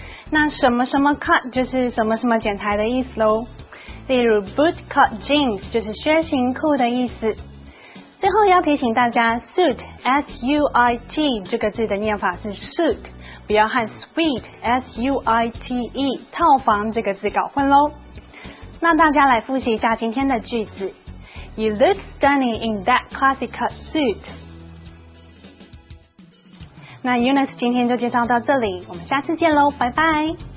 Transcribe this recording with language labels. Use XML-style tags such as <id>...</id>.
<zh>那什么什么 cut 就是什么什么剪裁的意思咯，例如 boot cut jeans 就是靴型裤的意思。最后要提醒大家 suit S-U-I-T 这个字的念法是 suit， 不要和 suite S-U-I-T-E 套房这个字搞混咯。那大家来复习一下今天的句子，</zh> <en>You look stunning in that classic cut suit。</en> <zh>那 Eunice 今天就介绍到这里，我们下次见咯，拜拜。</zh>